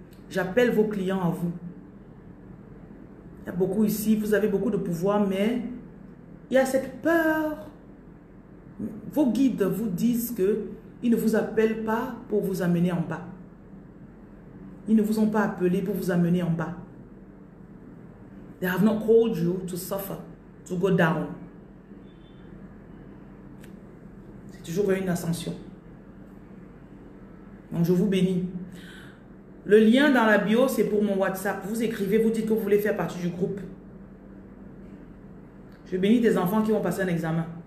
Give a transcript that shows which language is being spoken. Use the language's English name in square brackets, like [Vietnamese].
[French] J'appelle vos clients à vous. Il y a beaucoup ici, vous avez beaucoup de pouvoir, mais il y a cette peur. Vos guides vous disent qu'ils ne vous appellent pas pour vous amener en bas. Ils ne vous ont pas appelé pour vous amener en bas. [English] They have not called you to suffer, to go down. [French] C'est toujours une ascension. Donc je vous bénis. Le lien dans la bio, c'est pour mon WhatsApp. Vous écrivez, vous dites que vous voulez faire partie du groupe. Je bénis des enfants qui vont passer un examen.